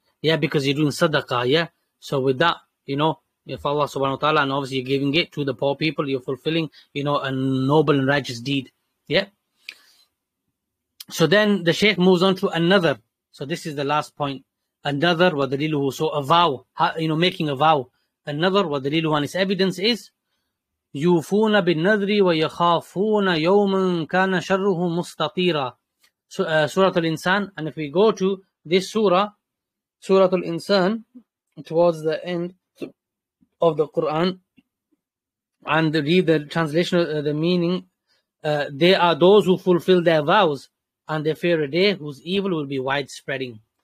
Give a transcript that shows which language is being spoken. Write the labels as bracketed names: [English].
[English] Yeah, because you're doing sadaqah. Yeah, so with that, you know, if Allah subhanahu wa ta'ala, and obviously you're giving it to the poor people, you're fulfilling, you know, a noble and righteous deed. Yeah. So then the Shaykh moves on to another. So this is the last point. Another وَدَلِيلُهُ, so a vow, you know, making a vow. Another [Arabic] وَدَلِيلُهُ, [English] and its evidence is [Arabic] يُوفُونَ بِالنَّذْرِ وَيَخَافُونَ يَوْمًا كَانَ شَرُّهُ مُسْتَطِيرًا. [English] So, Surah Al-Insan, and if we go to this Surah Al-Insan, towards the end of the Quran, and read the translation, the meaning, they are those who fulfill their vows, and they fear a day whose evil will be widespreading.